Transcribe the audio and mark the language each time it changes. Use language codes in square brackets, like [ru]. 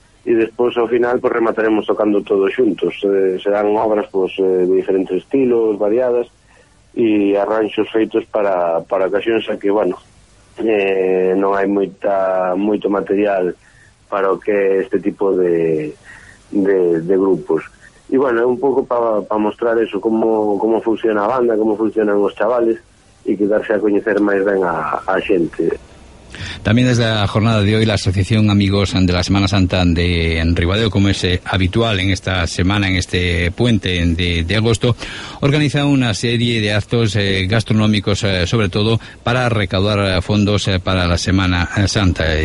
[es] Y después, al final, pues remataremos tocando todos juntos. Serán obras pues de diferentes estilos, variadas, y [gl] arranxos feitos [es] para ocasiones, que, bueno, no hay mucho material [gl] para o que é este tipo de grupos. E bueno, é un pouco para mostrar eso, como funciona a banda, como funcionan os chavales, e que darse a coñecer máis ben a xente. [es] También desde la jornada de hoy la Asociación Amigos de la Semana Santa de Ribadeo, como es habitual en esta semana, en este puente de agosto, organiza una serie de actos gastronómicos, sobre todo para recaudar fondos para la Semana Santa.